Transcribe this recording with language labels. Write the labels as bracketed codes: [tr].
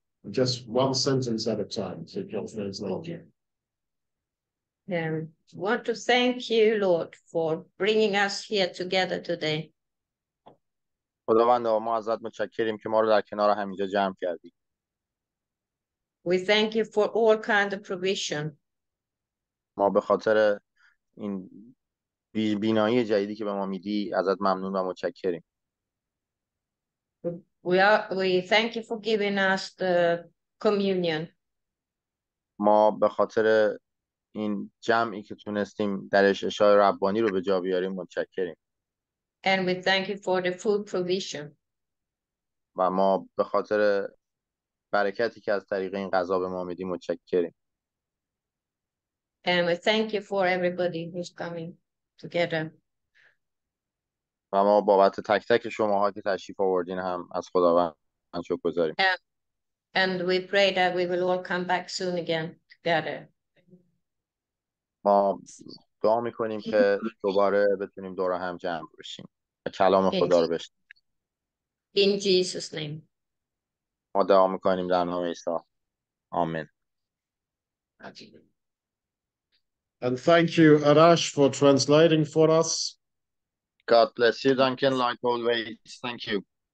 [en] Just one sentence at a time, so you'll translate. Want to thank you, Lord, for bringing us here together today. [fa] خداوند، ما ازت متشکریم که ما رو در کنار همینجا جمع کردی. [en] We thank you for all kind of provision. [fa] ما به خاطر این بینایی جدیدی که به ما میدی ازت ممنون و متشکریم. [en] We thank you for giving us the communion. [fa] ما به خاطر این جمعی که تونستیم درش عشای ربانی رو به جا بیاریم متشکریم. [en] And we thank you for the food provision. [fa] و ما به خاطر برکتی که از طریق این غذا به ما میدی متشکریم. [en] And we thank you for everybody who's coming together. [fa] و ما بابت تک تک شماها که تشریف آوردین هم از خداوند شکرگزاریم. [en] And we pray that we will all come back soon again together. [fa] ما دعا میکنیم که دوباره بتونیم دور هم جمع بشیم و کلام خدا رو بشنویم. [en] In Jesus' name. [fa] ما دعا میکنیم در نام عیسی. آمین. [en] And thank you, Arash, for translating for us. God bless you, Duncan, like always. Thank you.